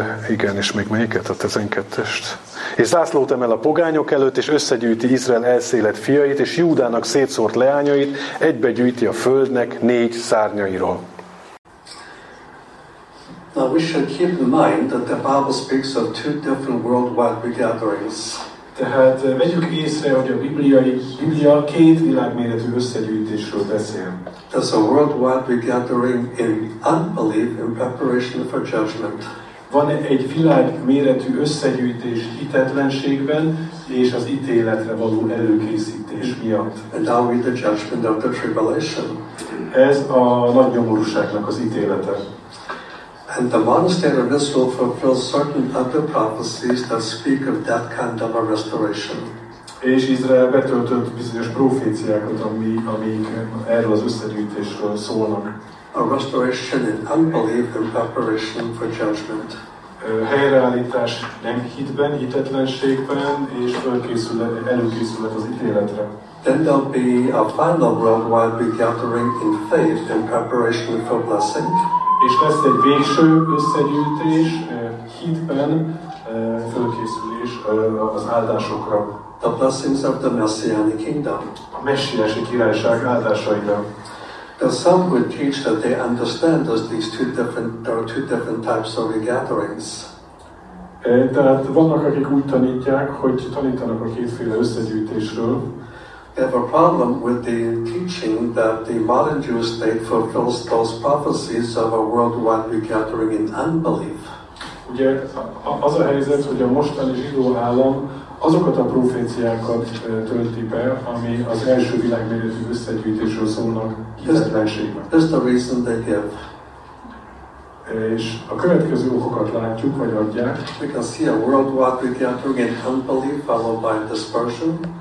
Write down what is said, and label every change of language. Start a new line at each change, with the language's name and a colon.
Hungarian: Igen, és még melyiket? A 12-est. És zászlót emel a pogányok előtt, és összegyűjti Izrael elszélett fiait, és Júdának szétszórt leányait egybegyűjti a földnek négy szárnyairól.
English: Now we should keep in mind that the Bible speaks of two different worldwide regatherings.
Hungarian: Tehát vegyük észre, hogy a Biblia két világméretű összegyűjtésről beszél.
English: There's a worldwide regathering in unbelief in preparation for judgment.
Hungarian: Van egy világméretű összegyűjtés hitetlenségben és az ítéletre való előkészítés miatt.
English: And now with the judgment of the tribulation.
Hungarian: Ez a nagy nyomorúságnak az ítélete.
English: And the monastery of Israel fulfills certain other prophecies that speak of that kind of a restoration.
Hungarian: És Izrael betöltött bizonyos proféciákat, amik erről az összegyűjtésről szólnak.
English: A restoration in unbelief in preparation for judgment.
Hungarian: helyreállítás nem hitben, hitetlenségben, és előkészület az ítéletre.
English: Then there'll be a final worldwide big gathering in faith in preparation for blessing.
Hungarian: És lesz egy végső összegyűjtés hitben, fölkészülés az áldásokra.
English: The blessings of the Messianic Kingdom.
Hungarian: A messiási királyság áldásaira.
English: Now some would teach that they understand that these two different there are two different types of gatherings.
Hungarian: Tehát vannak, akik úgy tanítják, hogy tanítanak a kétféle összegyűjtésről.
English: They have a problem with the teaching that the modern Jewish state fulfills those prophecies of a worldwide regathering in unbelief.
Hungarian: Ugye az a helyzet, hogy a mostani zsidó állam azokat a proféciákat tölti be, ami az első világméretű összegyűjtésről szólnak hitetlenségben.
English: That's the reason they give.
Hungarian: És a következő okokat látjuk, vagy adják.
English: We can see a worldwide regathering in unbelief followed by dispersion.